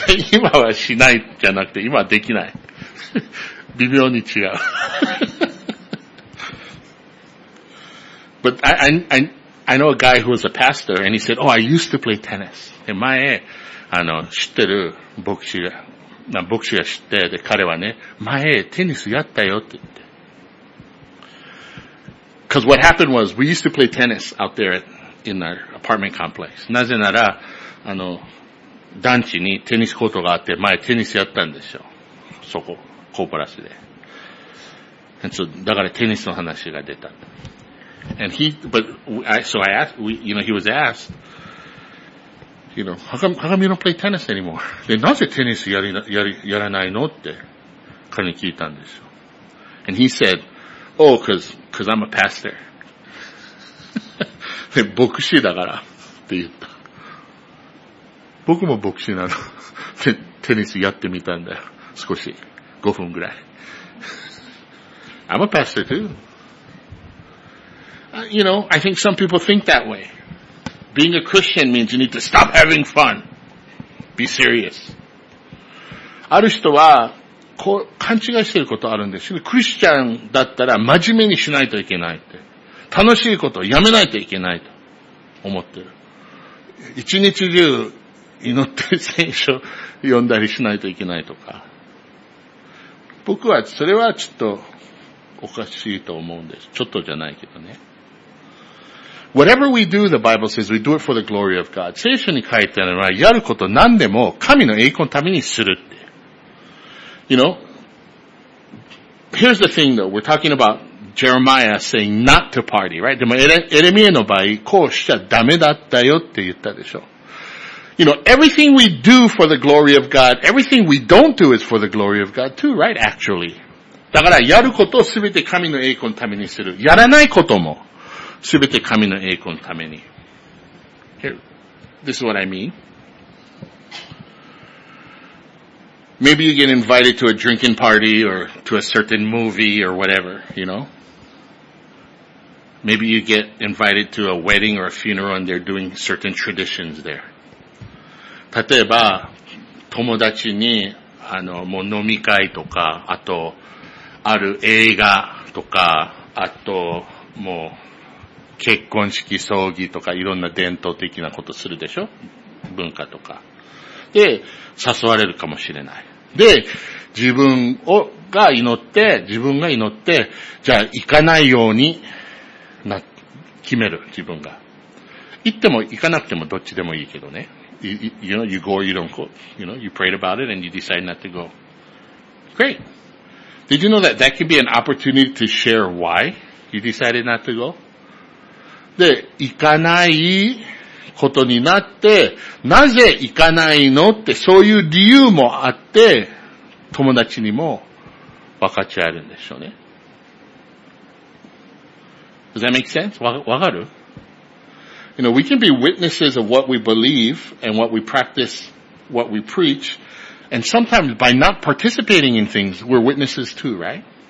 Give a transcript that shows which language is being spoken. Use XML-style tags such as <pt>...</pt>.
<ja>今はしないじゃなくて今はできない微妙に違う</ja> <en>But I know a guy who was a pastor and he said, oh, I used to play tennis.</en> <ja>前、知ってる牧師が知って、で、彼はね、前、テニスやったよって言って。</ja> <en>Because what happened was, we used to play tennis out there in our apartment complex.</en> <ja>なぜなら、団地にテニスコートがあって、前テニスやったんですよ。そこ、コーポラスで。だからテニスの話が出た。</ja> <en>And he, but, I, so I asked, we, you know, he was asked, you know, how come you don't play tennis anymore?</en> <ja>で、なぜテニスやらないのって彼に聞いたんですよ。</ja> <en>And he said, oh, cause I'm a pastor.</en> <ja>で、牧師だからって言った。僕も牧師なの。で、テニスやってみたんだよ。少し。5分ぐらい。</ja> <en>I'm a pastor too. You know, I think some people think that way. Being a Christian means you need to stop having fun. Be serious.</en> <ja>ある人は、こう、勘違いしていることあるんですよ。クリスチャンだったら真面目にしないといけないって。楽しいことをやめないといけないと思ってる。一日中祈って聖書読んだりしないといけないとか。僕はそれはちょっとおかしいと思うんです。ちょっとじゃないけどね。</ja> <en>Whatever we do, the Bible says we do it for the glory of God.</en> <ja>聖書に書いてあるのはやること何でも神の栄光のためにするって。</ja> <en>You know, here's the thing though, we're talking about Jeremiah saying not to party, right?</en> <ja>でもエレミエの場合、こうしちゃダメだったよって言ったでしょ。</ja> <en>You know, everything we do for the glory of God, everything we don't do is for the glory of God too, right? Actually.</en> <ja>だからやることをすべて神の栄光のためにする。やらないこともすべて神の栄光のために。</ja> <en>Here, this is what I mean. Maybe you get invited to a drinking party or to a certain movie or whatever, you know. Maybe you get invited to a wedding or a funeral and they're doing certain traditions there.</en> <ja>例えば、友達に、もう飲み会とか、あと、ある映画とか、あと、もう、結婚式葬儀とか、いろんな伝統的なことするでしょ？文化とか。で、誘われるかもしれない。で、自分を、が祈って、自分が祈って、じゃあ行かないように、決める、自分が。行っても行かなくてもどっちでもいいけどね。</ja> <en>You know, you go or you don't go. You know, you prayed about it and you decide not to go. Great. Did you know that that can be an opportunity to share why you decided not to go?</en> <ja>で、行かない、ことになって、なぜ行かないのって、そういう理由もあって、友達にも分かち合えるんでしょうね。</ja> <en>Does that make sense?</en> <ja>わかる？</ja> <en>You know, we can be witnesses of what we believe and what we practice, what we preach, and sometimes by not participating in things, we're witnesses too, right?</en>